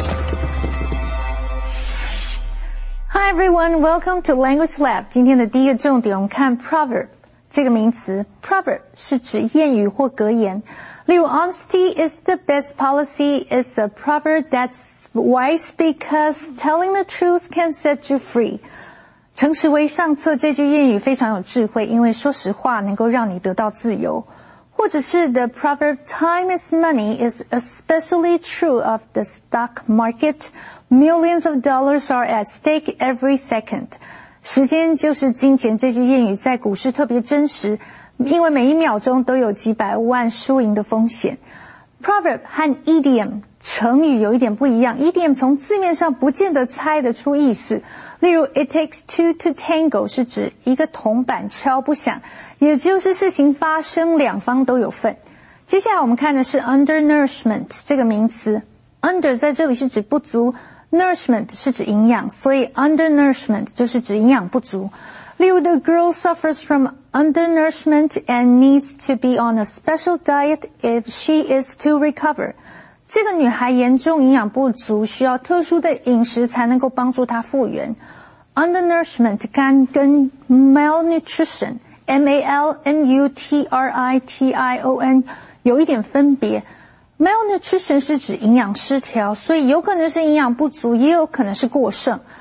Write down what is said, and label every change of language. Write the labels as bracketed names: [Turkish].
[English] Hi everyone, welcome to Language Lab. [Chinese] 今天的第一个重点我们看 proverb 这个名词。 proverb 是指谚语或格言。例如 [English] honesty is the best policy is a proverb that's wise because telling the truth can set you free. [Chinese] 诚实为上策这句谚语非常有智慧，因为说实话能够让你得到自由。或者是 [English] The proverb time is money is especially true of the stock market. Millions of dollars are at stake every second. [Chinese] 时间就是金钱这句谚语在股市特别真实，因为每一秒钟都有几百万输赢的风险。 Proverb 和 idiom 成语有一点不一样， idiom 从字面上不见得猜得出意思，例如 [English] it takes two to tango [Chinese] 是指一个铜板敲不响，也就是事情发生两方都有份。接下来我们看的是 undernourishment 这个名词， under 在这里是指不足， nourishment 是指营养，所以 undernourishment 就是指营养不足。例如 [English] the girl suffers from undernourishment and needs to be on a special diet if she is to recover. [Chinese] 这个女孩严重营养不足，需要特殊的饮食才能够帮助她复原。 Undernourishment 干跟 malnutrition, M-A-L-N-U-T-R-I-T-I-O-N 有一点分别。 Malnutrition 是指营养失调，所以有可能是营养不足，也有可能是过剩。